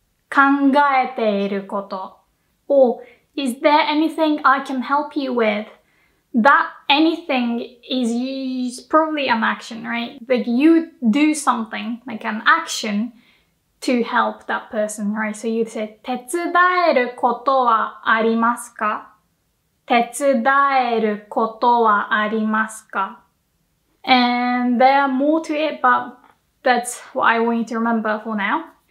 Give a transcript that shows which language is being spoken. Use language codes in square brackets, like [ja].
[ja] 考えていること [en] Or, is there anything I can help you with? That anything is used, probably an action, right? Like you do something, like an action to help that person, right? So you say, [ja] 手伝えることはありますか? 手伝えることはありますか? [en] And there are more to it, but that's what I want you to remember for now.